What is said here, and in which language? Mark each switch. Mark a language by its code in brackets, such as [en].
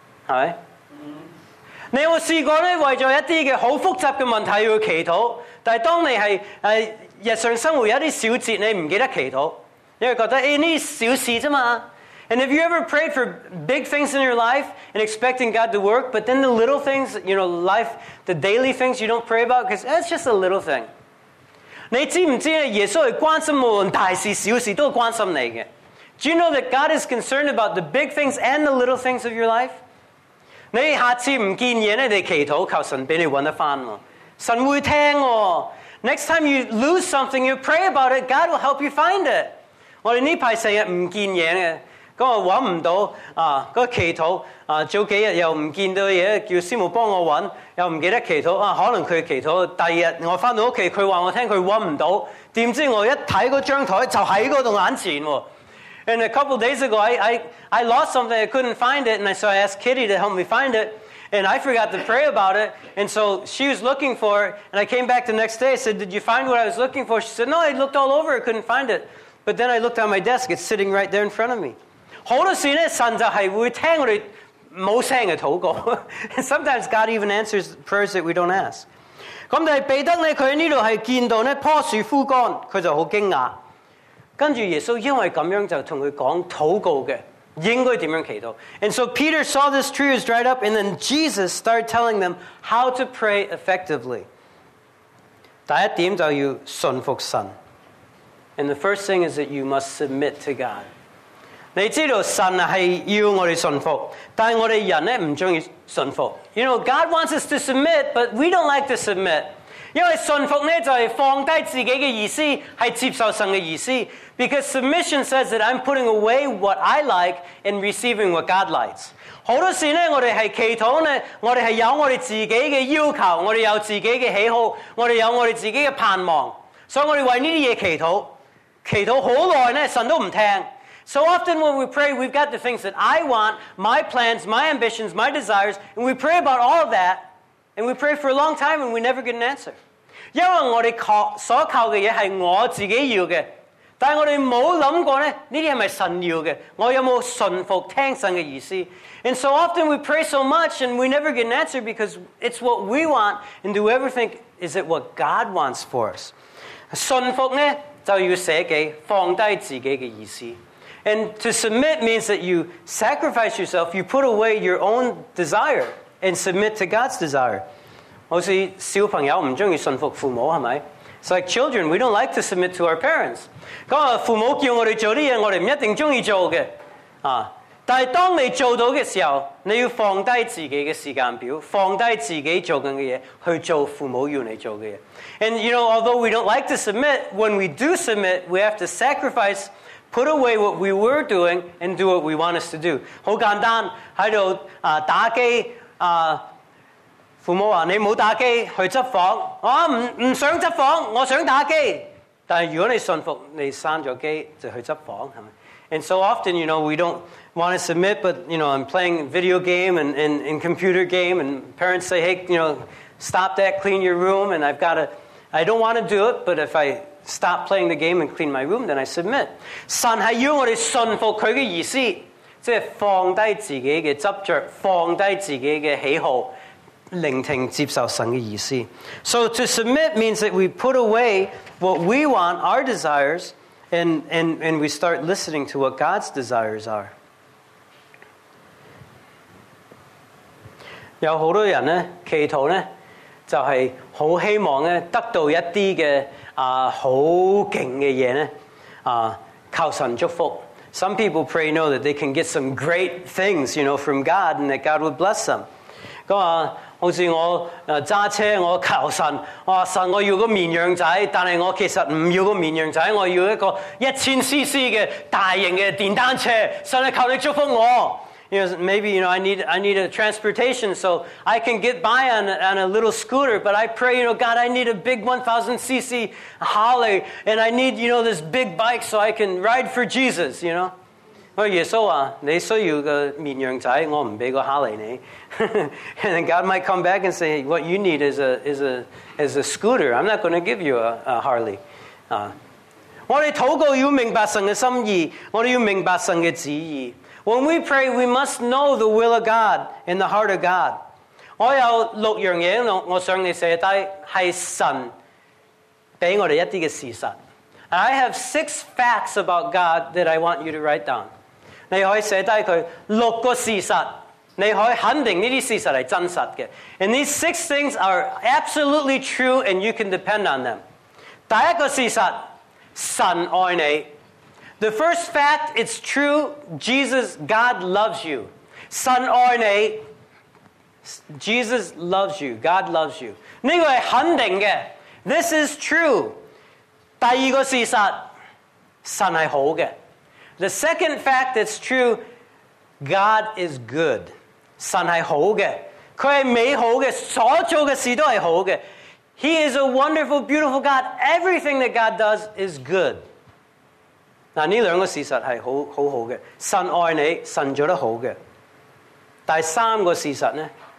[yue] 係咪？你有冇試過咧？為咗一啲嘅好複雜嘅問題要祈禱，但係當你係日常生活有啲小節，你唔記得祈禱，因為覺得誒呢啲小事啫嘛。 [en] And have you ever prayed for big things in your life and expecting God to work, but then the little things, you know, life, the daily things you don't pray about? Because that's just a little thing. [yue] 你知唔知耶稣系关心无论大事小事都关心你嘅。 [en] Do you know that God is concerned about the big things and the little things of your life? [yue] 你下次唔见嘢咧，你祈祷求神俾你揾得翻喎。神会听哦。 [en] Next time you lose something, you pray about it, God will help you find it. [yue] 我哋呢排成日唔见嘢咧。咁我揾唔到啊！嗰、那個、祈禱啊，早幾日又唔見到嘢，叫師母幫我揾，又唔記得祈禱啊！可能佢祈禱，第二日我翻到屋企，佢話我聽佢揾唔到，點知我一睇嗰張台就喺嗰度眼前喎。 [en] And a couple days ago, I lost something, I couldn't find it, and so I asked Kitty to help me find it, and I forgot to pray about it, and so she was looking for it, and I came back the next day, I said, "Did you find what I was looking for?" She said, "No, I looked all over, I couldn't find it, but then I looked on my desk, it's sitting right there in front of me." [yue] 好多時咧，神就係會聽我哋冇聲嘅禱告。 [en] Sometimes God even answers prayers that we don't ask。 [yue] 咁但係彼得咧，佢喺呢度係見到咧棵樹枯乾，佢就好驚訝。跟住耶穌因為咁樣就同佢講禱告嘅應該點樣祈禱。 [en] And so Peter saw this tree was dried up, and then Jesus started telling them how to pray effectively。 [yue] 第一點就要順服神。 [en] And the first thing is that you must submit to God。 [yue] 你知道神是要我们顺服，但是我们人不喜欢顺服。 [en] You know, God wants us to submit, but we don't like to submit. [yue] 因为顺服呢就是放低自己的意思，是接受神的意思。 [en] Because submission says that I'm putting away what I like and receiving what God likes. [yue] 好多时呢，我们是祈祷呢，我们是有我们自己的要求，我们有自己的喜好，我们有我们自己的盼望。所以我们为这些祈祷，祈祷很久呢，神都不听。 [en] So often when we pray, we've got the things that I want, my plans, my ambitions, my desires, and we pray about all of that, and we pray for a long time, and we never get an answer. [yue] 因为我们所靠的东西是我自己要的，但我们没有想过呢，这些是不是神要的，我有没有顺服听神的意思。 [en] And so often we pray so much, and we never get an answer, because it's what we want, and do we ever think, is it what God wants for us? [yue] 顺服呢，就要舍己，放低自己的意思。 [en] And to submit means that you sacrifice yourself, you put away your own desire and submit to God's desire. [yue] 好似小朋友唔中意顺服父母，系咪？ [en] It's like children, we don't like to submit to our parents. [yue] 咁啊，父母叫我哋做啲嘢，我哋唔一定中意做嘅。啊，但系当你做到嘅时候，你要放低自己嘅时间表，放低自己做紧嘅嘢，去做父母要你做嘅嘢。 [en] And you know, although we don't like to submit, when we do submit, we have to sacrifice. Put away what we were doing and do what we want us to do. [yue] 好簡單，喺度打機啊！父母話你冇打機去執房，我唔想執房，我想打機。 [en] 但係如果你信服，你刪咗機就去執房，係咪 ？ And so often, you know, we don't want to submit, but you know, I'm playing video game and computer game, and parents say, "Hey, you know, stop that, clean your room." And I don't want to do it, but if I stop playing the game and clean my room, then I submit. [yue] 神是要我们顺服祂的意思，即是放低自己的执着，放低自己的喜好，聆听接受神的意思。 [en] So to submit means that we put away what we want, our desires, And we start listening to what God's desires are. [yue] 有好多人呢祈祷呢就是很希望呢得到一些的很劲的东西靠神祝福。 [en] Some people pray, know that they can get some great things, you know, from God, and that God would bless them. [yue] 他说好像我揸车，我求神，我说神，我要个绵羊仔，但是我其实不要个绵羊仔，我要一个1000cc 的大型的电单车，神求你祝福我。 [en] You know, maybe, you know, I need a transportation so I can get by on a little scooter, but I pray, you know, God, I need a big 1000cc Harley, and I need, you know, this big bike so I can ride for Jesus, you know. Well, yes, so, they saw you the mean young tie, I'm going to go Harley, and then God might come back and say, what you need is a scooter. I'm not going to give you a Harley. [yue] 我们祷告要明白神的心意，我们要明白神的旨意。 [en] When we pray, we must know the will of God and the heart of God. [yue] 我有六样嘢，我想你写低，系神俾我哋一啲嘅事实。 [en] I have 6 facts about God that I want you to write down. [yue] 你可以写低佢六个事实，你可以肯定呢啲事实系真实嘅。 [en] And these 6 things are absolutely true, and you can depend on them. [yue] 第一个事实，神爱你。 [en] The first fact, it's true, Jesus, God loves you. [yue] 神爱你。 [en] Jesus loves you, God loves you. [yue] 这个是肯定的。 [en] This is true. [yue] 第二个事实，神是好的。 [en] The second fact, it's true, God is good. [yue] 神是好的。他是美好的，所做的事都是好的。 [en] He is a wonderful, beautiful God. Everything that God does is good. [yue] 嗱，呢两个事实系好好好嘅，神爱你，神做得好嘅。第三个事实呢